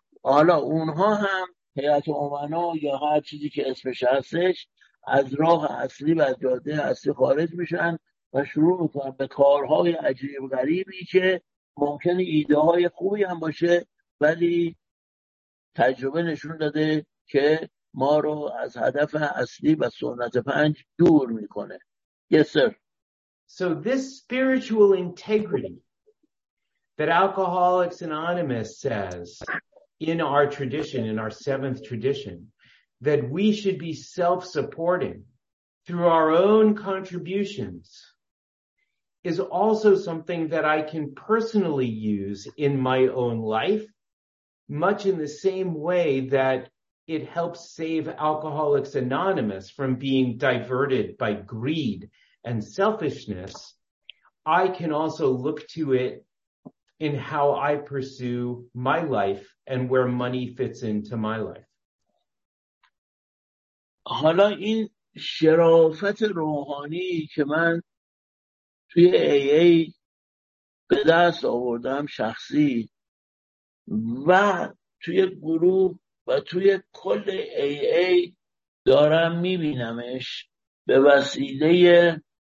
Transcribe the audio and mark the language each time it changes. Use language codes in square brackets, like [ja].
[fa] حالا اونها هم هیئت امنا یا هر چیزی که اسمش هستش از راه اصلی و از جاده اصلی خارج میشن و شروع میکنن به کارهای عجیب غریبی که ممکنه ایده های خوبی هم باشه ولی تجربه نشون داده که ما رو از هدف اصلی و سنت پنج دور میکنه. [en] Yes, sir. So this spiritual integrity that Alcoholics Anonymous says in our tradition, in our seventh tradition, that we should be self-supporting through our own contributions is also something that I can personally use in my own life, much in the same way that it helps save Alcoholics Anonymous from being diverted by greed and selfishness. I can also look to it in how I pursue my life and where money fits into my life. [fa] حالا این شرافت روحانی که من توی AA به دست آوردم شخصی و توی گروه و توی کل AA دارم میبینمش به وسیله